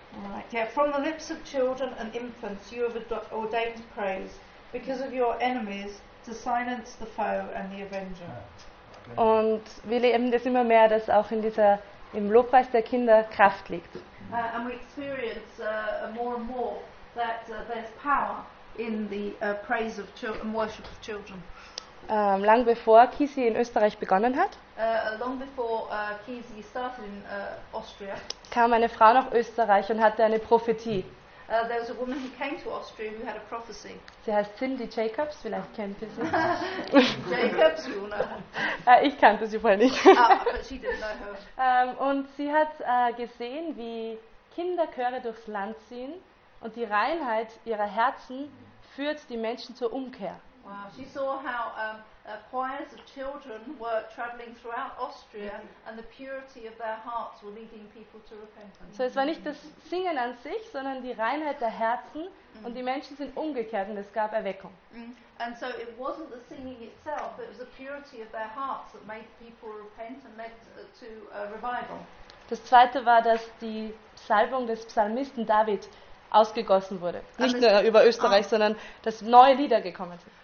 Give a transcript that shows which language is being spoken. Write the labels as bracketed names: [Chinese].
[English] Right, yeah, from the lips of children and infants you have ordained praise because of your enemies to silence the foe and the avenger. [German] Und wir leben das immer mehr, dass auch in dieser im Lobpreis der Kinder Kraft liegt. [English] And we experience more and more that there's power in the praise of children and worship of children. [German] Lang bevor Kisi in Österreich begonnen hat, [English] long before, Kisi started in, Austria, [German] kam eine Frau nach Österreich und hatte eine Prophetie. [English] There was a woman who came to Austria who had a prophecy. [German] Sie heißt Cindy Jacobs, vielleicht kennt ihr sie. [English] Jacobs, you all know her. [German] Ich kannte sie vorher nicht. [English] But she didn't know her. [German] Und sie hat gesehen, wie Kinderchöre durchs Land ziehen und die Reinheit ihrer Herzen führt die Menschen zur Umkehr. [English] Wow, she saw how choirs of children were traveling throughout Austria and the purity of their hearts were leading people to repentance. [German] So es war nicht das Singen an sich, sondern die Reinheit der Herzen und die Menschen sind umgekehrt und es gab Erweckung. [English] And so it wasn't the singing itself, it was the purity of their hearts that made people repent and led to a revival. [German] Das zweite war, dass die Salbung des Psalmisten David ausgegossen wurde. Nicht nur über Österreich, sondern dass neue Lieder gekommen sind.